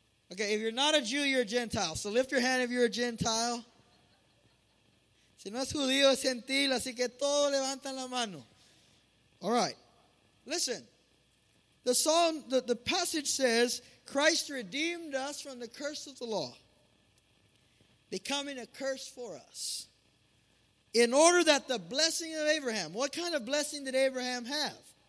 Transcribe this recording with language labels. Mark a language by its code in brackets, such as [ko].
[en] Okay, if you're not a Jew, you're a Gentile. So lift your hand if you're a Gentile. [es] Si no es judío, es gentil, así que todos levantan la mano. [en] All right, listen. The song, the passage says, Christ redeemed us from the curse of the law, becoming a curse for us, in order that the blessing of Abraham, what kind of blessing did Abraham have?